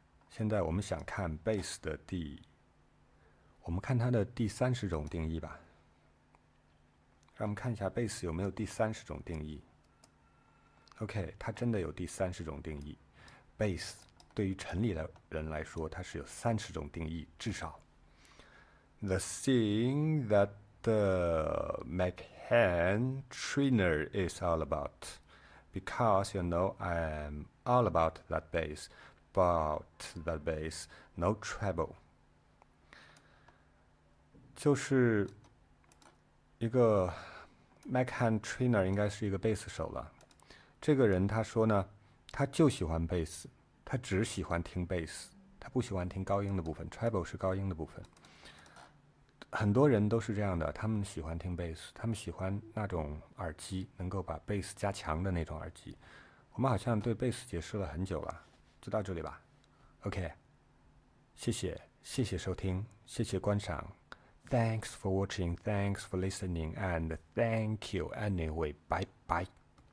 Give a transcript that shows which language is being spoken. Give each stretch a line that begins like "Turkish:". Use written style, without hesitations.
Chinese: 现在我们想看 bass 的第，我们看它的第30种定义吧。让我们看一下 bass 有没有第30种定义。OK，它真的有第30种定义。 bass 对于城里的人来说，它是有30种定义，至少。
English: The thing that the Mahan trainer is all about, because you know I'm all about that bass, about that bass, no trouble。
Chinese: 就是一个 Mahan trainer 应该是一个贝斯手了。这个人他说呢，他就喜欢贝斯，他只喜欢听贝斯，他不喜欢听高音的部分，treble 是高音的部分。很多人都是这样的，他们喜欢听贝斯，他们喜欢那种耳机，能够把贝斯加强的那种耳机。我们好像对贝斯解释了很久了，就到这里吧。 OK，谢谢，谢谢收听，谢谢观赏。
English: Thanks for watching, thanks for listening, and thank you anyway. Bye bye.